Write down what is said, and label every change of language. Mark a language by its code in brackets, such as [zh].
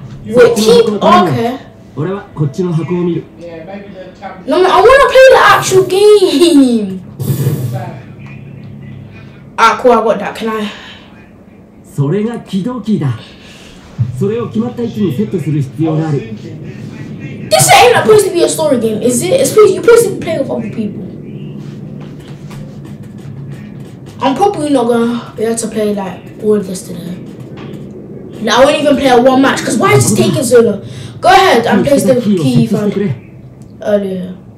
[ja] そこに箱があるだろう。本部から転送されてきた支援物資だ。物資には移動キーも含まれているんだが、時空を越えてたくさんの物資を送るのはとても難しくてね。送り先が定まらなくて何が入っているのかわからない。だから最終的に、俺はこっちの箱を見る。 [en] No, I want to play the actual game. Ah, cool, I got that. Can I? [ja] それが起動キーだ。それを決まった位置にセットする必要がある。 [en] This ain't supposed to be a story game, is it? It's supposed, you're supposed to play with other people. I'm probably not gonna be able to play like all of this today. No, I won't even play a one match, because why is this taking so long? Go ahead and place the key for earlier.